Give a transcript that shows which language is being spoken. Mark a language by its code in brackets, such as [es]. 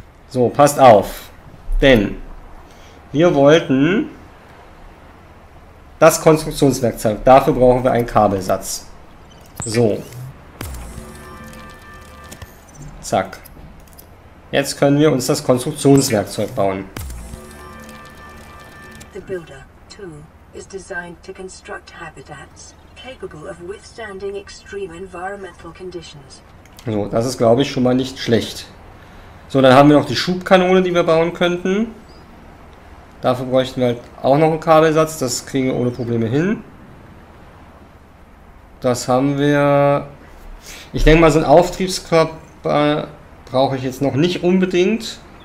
[de] So, passt auf. Denn wir wollten das Konstruktionswerkzeug. Dafür brauchen wir einen Kabelsatz. So. Zack. Jetzt können wir uns das Konstruktionswerkzeug bauen. [en] The Builder 2 is designed to construct habitats capable of withstanding extreme environmental conditions. [de] So, das ist, glaube ich, schon mal nicht schlecht. So, dann haben wir noch die Schubkanone, die wir bauen könnten. Dafür bräuchten wir halt auch noch einen Kabelsatz. Das kriegen wir ohne Probleme hin. Das haben wir... Ich denke mal, so einen Auftriebskörper brauche ich jetzt noch nicht unbedingt.